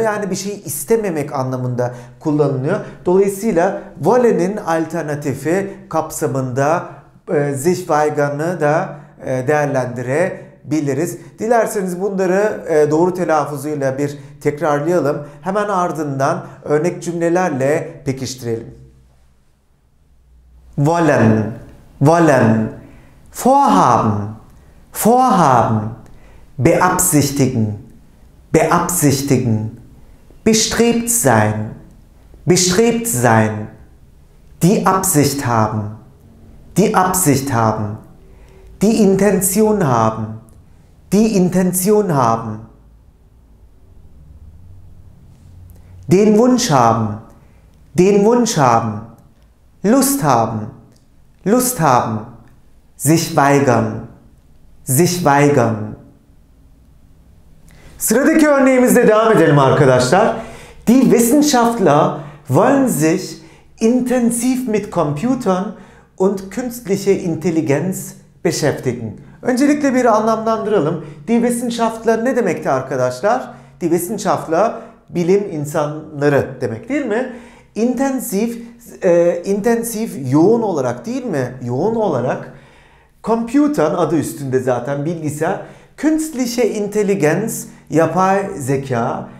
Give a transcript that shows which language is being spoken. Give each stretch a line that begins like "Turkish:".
Turkish: Yani bir şeyi istememek anlamında kullanılıyor. Dolayısıyla wollen'in alternatifi kapsamında sich weigern'ı da değerlendirebiliriz. Dilerseniz bunları doğru telaffuzuyla bir tekrarlayalım. Hemen ardından örnek cümlelerle pekiştirelim.
German: Wollen, wollen, vorhaben, vorhaben, beabsichtigen, beabsichtigen, bestrebt sein, bestrebt sein, die Absicht haben, die Absicht haben, die Intention haben, die Intention haben, den Wunsch haben, den Wunsch haben, Lust haben, Lust haben, sich weigern, sich weigern.
Turkish: Sıradaki örneğimizle devam edelim arkadaşlar.
German: Die Wissenschaftler wollen sich intensiv mit Computern und künstlicher Intelligenz beschäftigen.
Turkish: Öncelikle bir anlamlandıralım.
German: Die Wissenschaftler
Turkish: ne demekti arkadaşlar?
German: Die Wissenschaftler,
Turkish: bilim insanları demek değil mi? Intensiv, intensiv yoğun olarak değil mi? Yoğun olarak. Computern, adı üstünde zaten, bilgisayar. Künstliche Intelligenz, yapay zeka.